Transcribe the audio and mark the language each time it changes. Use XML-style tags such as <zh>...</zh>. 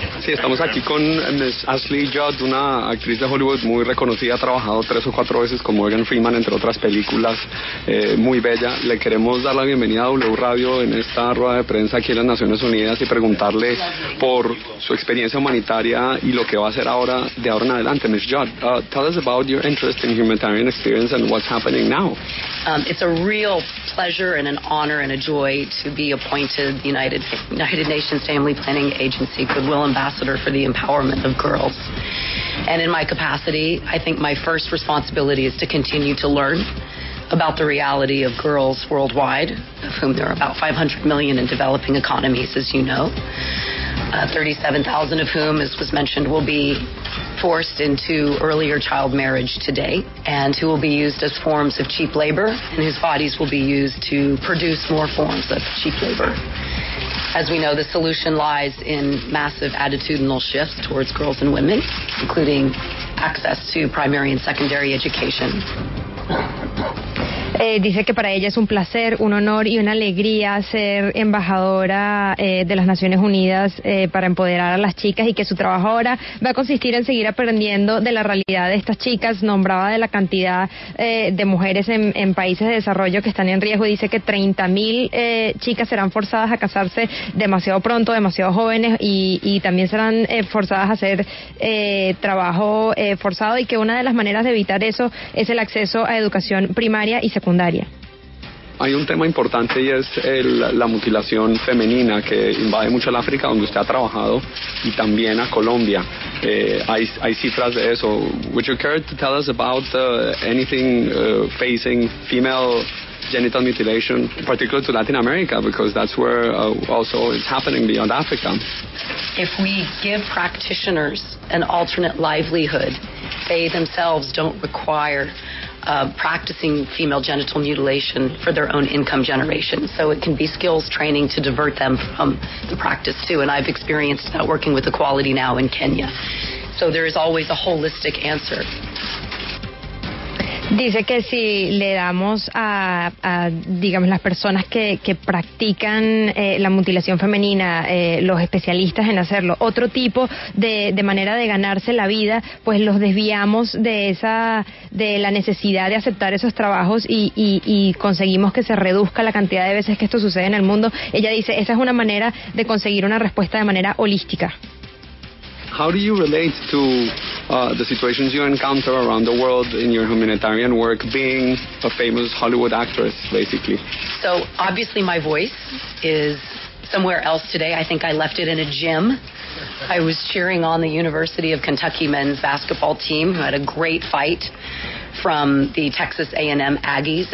<es>Sí, estamos aquí con Miss Ashley Judd, una actriz de Hollywood muy reconocida, ha trabajado 3 o 4 veces con Morgan Freeman, entre otras películas, muy bella. Le queremos dar la bienvenida a W Radio en esta rueda de prensa aquí en las Naciones Unidas y preguntarle por su experiencia humanitaria y lo que va a hacer ahora, de ahora en adelante.</es> <en>Miss Judd, tell us about your interest in humanitarian experience and what's happening now. It's a real pleasure and an honor and a joy to be appointed the United Nations Family Planning Agency Goodwill Ambassador for the Empowerment of Girls. And in my capacity, I think my first responsibility is to continue to learn about the reality of girls worldwide, of whom there are about 500 million in developing economies, as you know, 37,000 of whom, as was mentioned, will be forced into earlier child marriage today, and who will be used as forms of cheap labor, and whose bodies will be used to produce more forms of cheap labor. As we know, the solution lies in massive attitudinal shifts towards girls and women, including access to primary and secondary education.</en> <es>Dice que para ella es un placer, un honor y una alegría ser embajadora de las Naciones Unidas para empoderar a las chicas, y que su trabajo ahora va a consistir en seguir aprendiendo de la realidad de estas chicas. Nombraba de la cantidad de mujeres en países de desarrollo que están en riesgo. Dice que 30.000 chicas serán forzadas a casarse demasiado pronto, demasiado jóvenes, y también serán forzadas a hacer trabajo forzado, y que una de las maneras de evitar eso es el acceso a educación primaria y secundaria. Hay un tema importante, y es la mutilación femenina, que invade mucho el África donde usted ha trabajado, y también a Colombia. Hay cifras de eso.</es> <en>Would you care to tell us about anything facing female genital mutilation, particularly to Latin America, because that's where also it's happening beyond Africa? If we give practitioners an alternate livelihood, they themselves don't require practicing female genital mutilation for their own income generation. So it can be skills training to divert them from the practice too. And I've experienced that working with Equality Now in Kenya. So there is always a holistic answer.</en> <es>Dice que si le damos a digamos, las personas que practican la mutilación femenina, los especialistas en hacerlo, otro tipo de manera de ganarse la vida, pues los desviamos de la necesidad de aceptar esos trabajos, y conseguimos que se reduzca la cantidad de veces que esto sucede en el mundo. Ella dice, esa es una manera de conseguir una respuesta de manera holística.</es> <en>How do you relate to the situations you encounter around the world in your humanitarian work, being a famous Hollywood actress, basically? So, obviously, my voice is somewhere else today. I think I left it in a gym. I was cheering on the University of Kentucky men's basketball team, who had a great fight from the Texas A&M Aggies.</en>